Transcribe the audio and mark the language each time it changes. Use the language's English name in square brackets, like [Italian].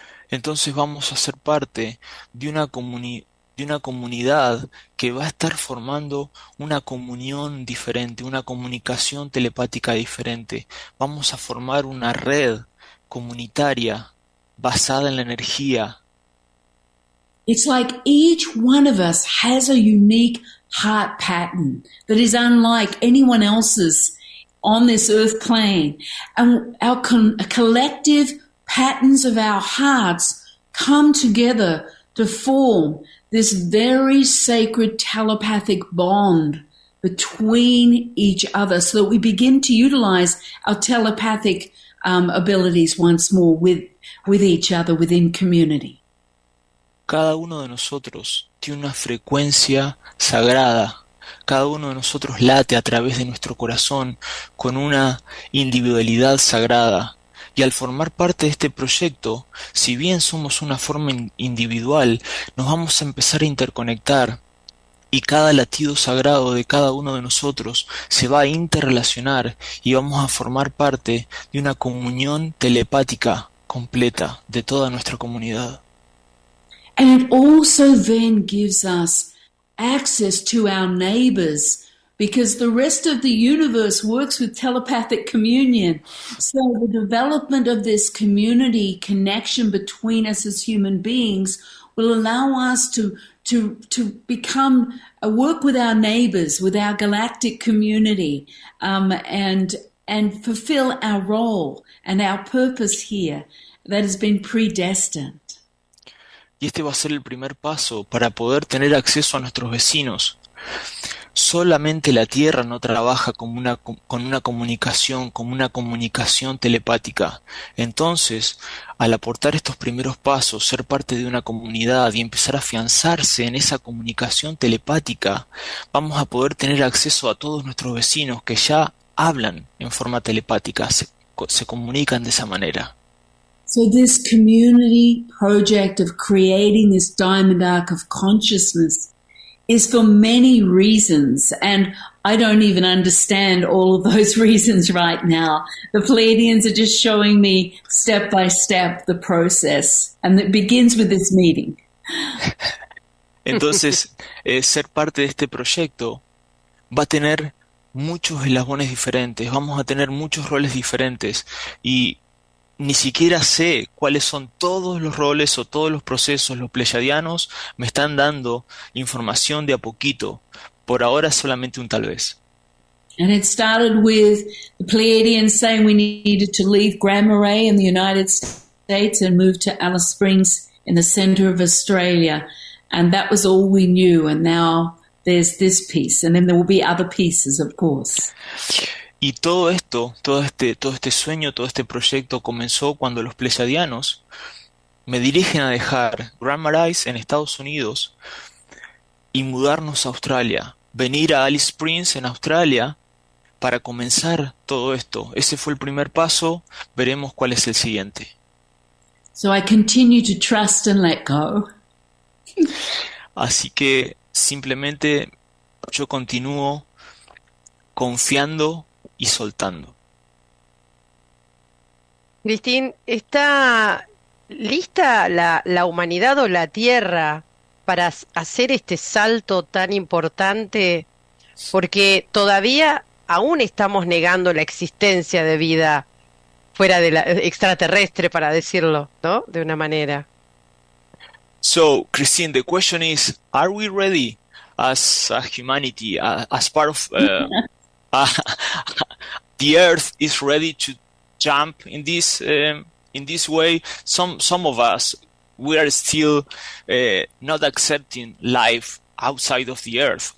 [Spanish] Entonces vamos a ser parte de una comunidad que va a estar formando una comunión diferente, una comunicación telepática diferente. Vamos a formar una red comunitaria basada en la energía. [English] It's like each one of us has a unique heart pattern that is unlike anyone else's on this earth plane. And our collective patterns of our hearts come together to form this very sacred telepathic bond between each other, so that we begin to utilize our telepathic abilities once more with each other within community. [Spanish] Cada uno de nosotros tiene una frecuencia sagrada. Cada uno de nosotros late a través de nuestro corazón con una individualidad sagrada. Y al formar parte de este proyecto, si bien somos una forma individual, nos vamos a empezar a interconectar y cada latido sagrado de cada uno de nosotros se va a interrelacionar y vamos a formar parte de una comunión telepática completa de toda nuestra comunidad. [English] And it also then gives us access to our neighbors, because the rest of the universe works with telepathic communion. So the development of this community connection between us as human beings will allow us to become a work with our neighbors, with our galactic community, and fulfill our role and our purpose here that has been predestined. [Spanish] y este va a ser el primer paso para poder tener acceso a nuestros vecinos. Solamente la Tierra no trabaja como una comunicación telepática. Entonces, al aportar estos primeros pasos, ser parte de una comunidad y empezar a afianzarse en esa comunicación telepática, vamos a poder tener acceso a todos nuestros vecinos que ya hablan en forma telepática, se comunican de esa manera. [English] So this community project of creating this diamond arc of consciousness is for many reasons, and I don't even understand all of those reasons right now. The Pleiadians are just showing me step by step the process, and it begins with this meeting. [Spanish] Entonces, ser parte de este proyecto va a tener muchos eslabones diferentes, vamos a tener muchos roles diferentes y ni siquiera sé cuáles son todos los roles o todos los procesos. Los pleyadianos me están dando información de a poquito, por ahora solamente un tal vez. [English] And it started with the Pleiadians saying we needed to leave Grand Marais in the United States and move to Alice Springs in the center of Australia. And that was all we knew. And now there's this piece. And then there will be other pieces, of course. [Spanish] Y todo esto, todo este sueño, todo este proyecto comenzó cuando los pleyadianos me dirigen a dejar Grand Marais en Estados Unidos y mudarnos a Australia, venir a Alice Springs en Australia para comenzar todo esto. Ese fue el primer paso, veremos cuál es el siguiente. [English] So I continue to trust and let go. [Spanish] Así que simplemente yo continúo confiando y soltando. Cristín, ¿está lista la humanidad o la Tierra para hacer este salto tan importante? Porque todavía aún estamos negando la existencia de vida fuera de la extraterrestre, para decirlo, ¿no? De una manera. [English] So, Christine, the question is, are we ready as humanity, as part of the Earth is ready to jump in this way. Some of us, we are still not accepting life outside of the Earth.